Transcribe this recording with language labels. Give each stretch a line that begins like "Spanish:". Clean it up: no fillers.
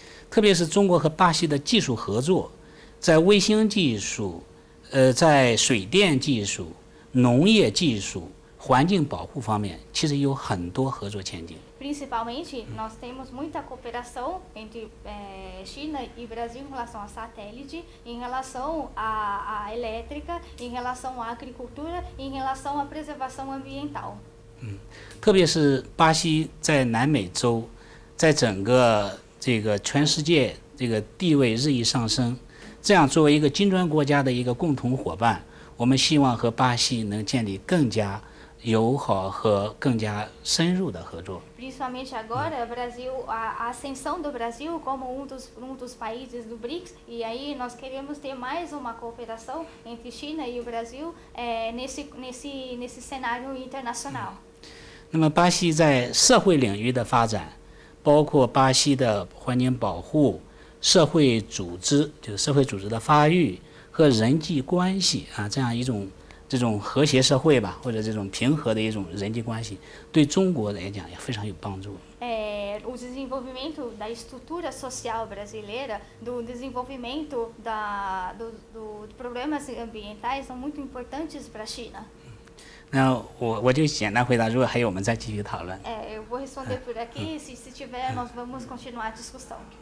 Chinese: 特别是中国和巴西的技术合作，在卫星技术、在水电技术、农业技术、环境保护方面，其实有很多合作前景。
Portuguese: Principalmente, nós temos muita cooperação entre China e Brasil em relação a satélite, em relação à elétrica, em relação à agricultura, em relação à preservação ambiental.
Chinese: 特别是巴西在南美洲，在整个这个全世界这个地位日益上升，这样作为一个金砖国家的一个共同伙伴，我们希望和巴西能建立更加友好和更加深入的合作。
Portuguese: Principalmente agora, Brasil, a ascensão do Brasil como um dos países do BRICS, e aí nós queremos ter mais uma cooperação entre China e o Brasil nesse cenário internacional.
Chinese: 那么巴西在社会领域的发展，包括巴西的环境保护、社会组织，就是社会组织的发育和人际关系啊，这样一种这种和谐社会吧，或者这种平和的一种人际关系，对中国来讲也非常有帮助。
Portuguese: O desenvolvimento da estrutura social brasileira, do desenvolvimento dos problemas ambientais são muito importantes para a China.
Chinese: 那我就简单回答，如果还有，我们再继续讨论。
Portuguese: Eu vou responder por aqui, se tiver, nós vamos continuar a discussão.